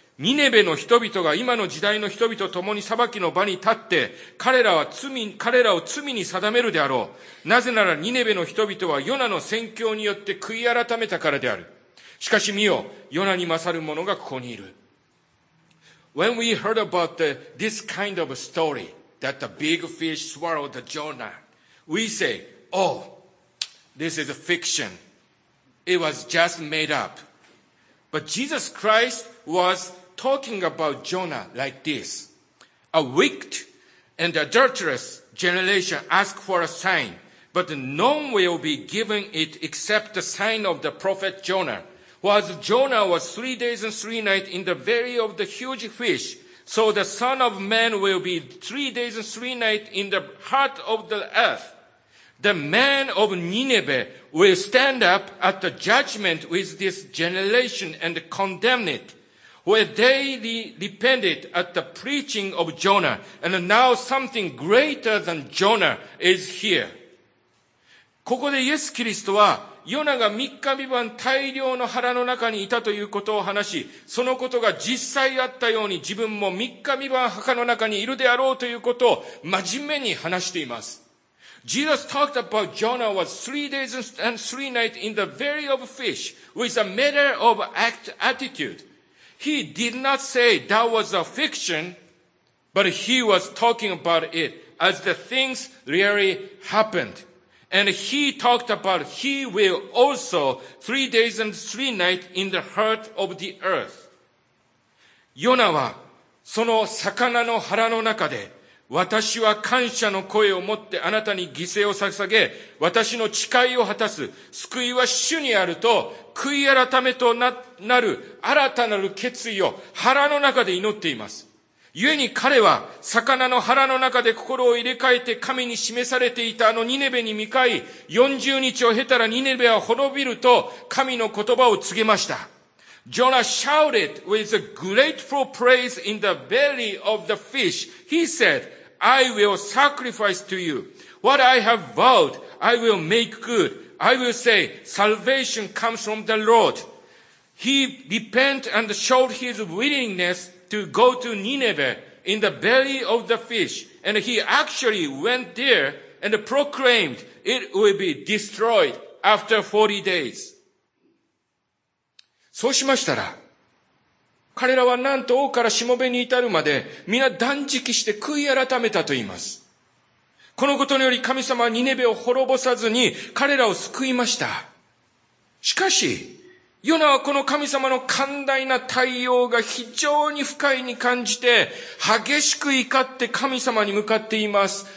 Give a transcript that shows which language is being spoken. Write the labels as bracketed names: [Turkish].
[Japanese] ニネベの人々が今の時代の人々と共に裁きの場に立って、彼らを罪に定めるであろう。なぜならニネベの人々はヨナの宣教によって悔い改めたからである。しかし見よ、ヨナに勝る者がここにいる。 [English] When we heard about this kind of story that the big fish swallowed Jonah, we say, oh, this is a fiction. It was just made up. But Jesus Christ was talking about Jonah like this. A wicked and adulterous generation ask for a sign, but none will be given it except the sign of the prophet Jonah. While Jonah was 3 days and three nights in the belly of the huge fish, so the Son of Man will be 3 days and three nights in the heart of the earth. The man of Nineveh will stand up at the judgment with this generation and condemn it, where they repented at the preaching of Jonah, and now something greater than Jonah is here. [Japanese] ここでイエス・キリストはヨナが三日三晩大量の腹の中にいたということを話し、そのことが実際あったように自分も三日三晩墓の中にいるであろうということを真面目に話しています。 [English] Jesus talked about Jonah was 3 days and three nights in the belly of a fish with a matter of act attitude. He did not say that was a fiction, but he was talking about it as the things really happened. And he talked about he will also 3 days and three nights in the heart of the earth. [Japanese] ヨナはその魚の腹の中で私は感謝の声を持ってあなたに犠牲を捧げ私の誓いを果たす救いは主にあると悔い改めとなる新たなる決意を腹の中で祈っています。ゆえに彼は魚の腹の中で心を入れ替えて神に示されていたあのニネベに向かい、40日を経たらニネベは滅びると神の言葉を告げました。 [English] Jonah shouted with a grateful praise in the belly of the fish. He said, I will sacrifice to you. What I have vowed, I will make good. I will say, salvation comes from the Lord. He repent and showed his willingness. To go to Nineveh in the belly of the fish, and he actually went there and proclaimed it will be destroyed after 40 days. [Japanese] そうしましたら、彼らはなんと王からしもべに至るまで、皆断食して悔い改めたと言います。このことにより神様はニネベを滅ぼさずに彼らを救いました。しかし、ヨナはこの神様の寛大な対応が非常に不快に感じて、激しく怒って神様に向かっています。